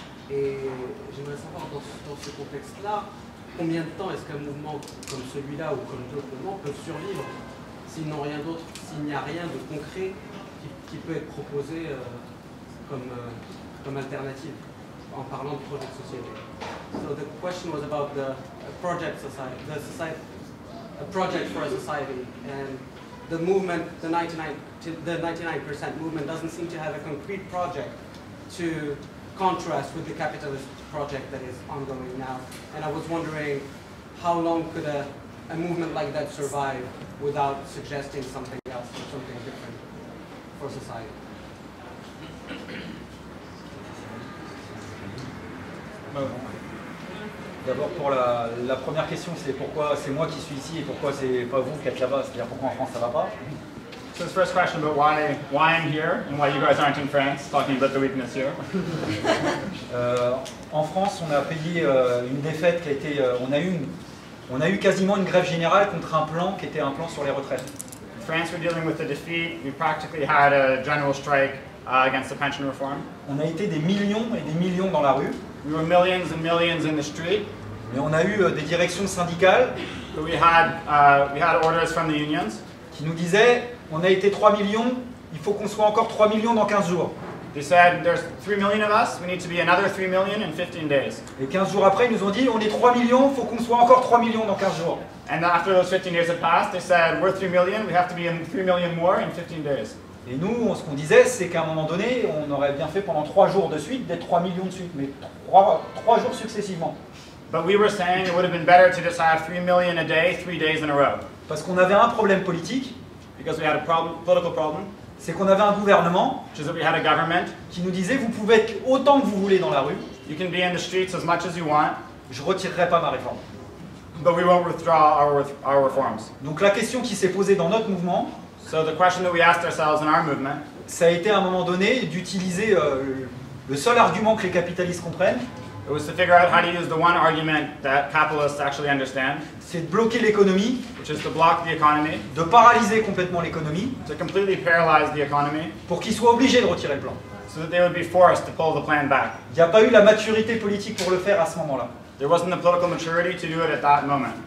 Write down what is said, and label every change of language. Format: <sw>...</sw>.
<fr>Et j'aimerais savoir dans ce contexte-là, combien de temps est-ce qu'un mouvement comme celui-là ou comme d'autres mouvements peuvent survivre s'ils n'ont rien d'autre, s'il n'y a rien de concret qui peut être proposé comme alternative en parlant de projet de société.</fr> <en>So the question was about the project society, the society, a project for a society, and the movement, the 99% movement doesn't seem to have a concrete project to contrast with the capitalist project that is ongoing now. And I was wondering how long could a movement like that survive without suggesting something else or something different for society.</en> <fr>D'abord, pour la première question, c'est pourquoi c'est moi qui suis ici et pourquoi c'est pas vous qui êtes là-bas, c'est-à-dire pourquoi en France ça va pas.</fr> <en>So this first question about why I'm here and why you guys aren't in France talking about the weakness here.</en> <fr>En France, on a payé une défaite qui a été on a eu une On a eu quasiment une grève générale contre un plan qui était un plan sur les retraites.</fr> <en>In France, we're dealing with a defeat. We practically had a general strike against the pension reform.</en> <fr>On a été des millions et des millions dans la rue.</fr> <en>We were millions and millions in the street.</en> <fr>Mais on a eu des directions syndicales.</fr> <en>But we had orders from the unions.</en> <fr>Qui nous disaient, on a été 3 millions, il faut qu'on soit encore 3 millions dans 15 jours.</fr> <en>They said, there's 3 million of us, we need to be another 3 million in 15 days.</en> <fr>Et 15 jours après, ils nous ont dit, on est 3 millions, faut qu'on soit encore 3 millions dans 15 jours.</fr> <en>And after those 15 days have passed, they said, we're 3 million, we have to be in 3 million more in 15 days.</en> <fr>Et nous, ce qu'on disait, c'est qu'à un moment donné, on aurait bien fait pendant 3 jours de suite d'être 3 millions de suite, mais 3 jours successivement.</fr> <en>But we were saying it would have been better to just have 3 million a day, 3 days in a row.</en> <fr>Parce qu'on avait un problème politique.</fr> <en>Because we had a political problem.</en> <fr>C'est qu'on avait un gouvernement qui nous disait vous pouvez être autant que vous voulez dans la rue.</fr> <en>You can be in the streets as much as you want.</en> <fr>Je retirerai pas ma réforme.</fr> <en>But we won't withdraw our reforms.</en> <fr>Donc la question qui s'est posée dans notre mouvement,</fr> <en>so the question that we asked ourselves in our movement,</en> <fr>ça a été à un moment donné d'utiliser le seul argument que les capitalistes comprennent.</fr> <en>It was to figure out how to use the one argument that capitalists actually understand.</en> <fr>C'est de bloquer l'économie,</fr> <en>which is to block the economy,</en> <fr>de paralyser complètement l'économie,</fr> <en>to completely paralyze the economy,</en> <fr>pour qu'ils soient obligés de retirer le plan,</fr> <en>so that they would be forced to pull the plan back.</en> <fr>Il n'y a pas eu la maturité politique pour le faire à ce moment-là.</fr> <en>There wasn't the political maturity to do it at that moment.</en>